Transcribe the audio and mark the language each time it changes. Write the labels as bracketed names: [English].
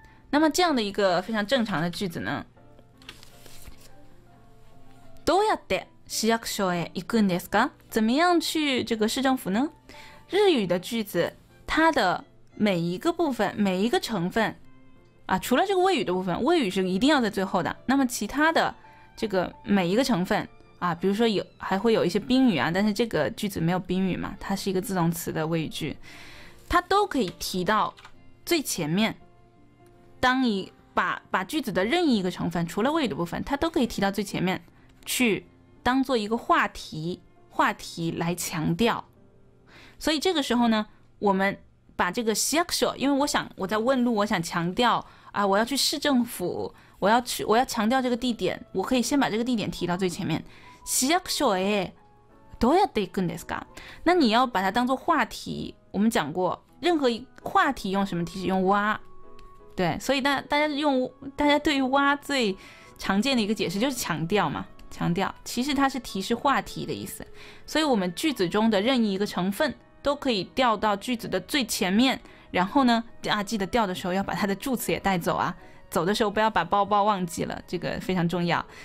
[Chinese] 那么这样的一个非常正常的句子呢？ [Japanese] どうやって市役所へ行くんですか？ [Chinese] 怎么样去这个市政府呢？日语的句子，它的每一个部分、每一个成分啊，除了这个谓语的部分，谓语是一定要在最后的。那么其他的这个每一个成分啊，比如说还会有一些宾语啊，但是这个句子没有宾语嘛，它是一个自动词的谓语句，它都可以提到最前面。当你把句子的任意一个成分，除了谓语的部分，它都可以提到最前面。去当做一个话题来强调，所以这个时候呢，我们把这个市役所，因为我想我在问路，我想强调啊，我要去市政府，我要去，我要强调这个地点，我可以先把这个地点提到最前面。 [Japanese] 市役所へどうやって行くんですか？ [Chinese] 那你要把它当做话题，我们讲过，任何话题用什么提示？用哇，对，所以大家用大家对于哇最常见的一个解释就是强调嘛，强调，其实它是提示话题的意思，所以我们句子中的任意一个成分都可以调到句子的最前面，然后呢，啊，记得调的时候要把它的助词也带走啊，走的时候不要把包包忘记了，这个非常重要。